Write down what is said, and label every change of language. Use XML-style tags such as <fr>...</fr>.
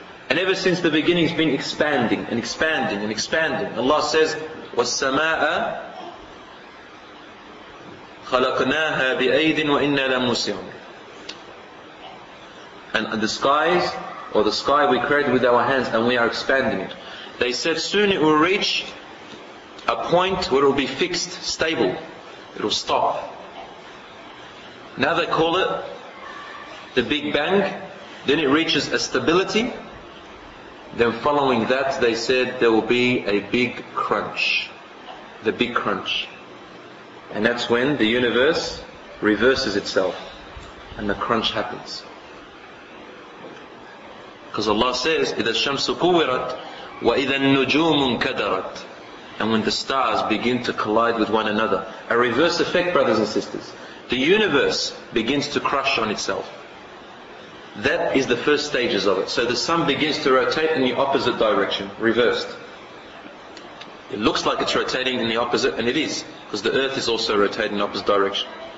<en>And ever since the beginning, it's been expanding and expanding and expanding. Allah says,</en> <ar>وَالسَّمَاءَ خَلَقْنَاهَا بِأَيْدٍ وَإِنَّا لَمُسْيَعُونَ.</ar> <en>And the skies, or the sky we created with our hands, and we are expanding it. They said soon it will reach a point where it will be fixed, stable. It will stop. Now they call it the Big Bang. Then it reaches a stability. Then following that, they said there will be a big crunch. The big crunch. And that's when the universe reverses itself. And the crunch happens. Because Allah says,</en> <ar>إِذَا الشَّمْسُ كُوِّرَتْ وَإِذَا النُّجُومُ كَدَرَتْ.</ar> <en>And when the stars begin to collide with one another. A reverse effect, brothers and sisters. The universe begins to crush on itself. That is the first stages of it. So the sun begins to rotate in the opposite direction, reversed. It looks like it's rotating in the opposite, and it is, because the earth is also rotating in the opposite direction.</en>